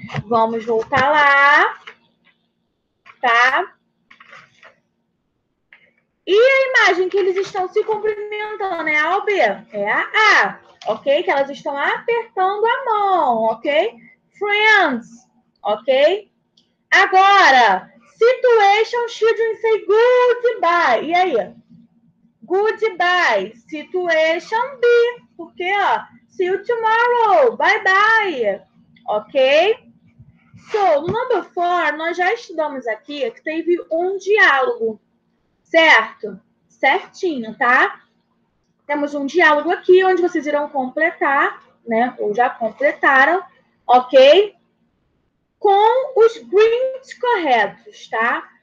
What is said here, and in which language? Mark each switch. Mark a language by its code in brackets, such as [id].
[pt] Vamos voltar lá. Tá? E a imagem que eles estão se cumprimentando, né, Albi? É a A, ok? Que elas estão apertando a mão, ok? [en] Friends, ok? Agora, situation, children say goodbye. [pt] E aí? [en] Goodbye. Situation B. [pt] Porque, ó, [en] see you tomorrow. Bye-bye. Ok? [pt] So, no number four, nós já estudamos aqui que teve um diálogo. Certo? Certinho, tá? Temos um diálogo aqui onde vocês irão completar, né? Ou já completaram, ok? Com os greetings corretos, tá?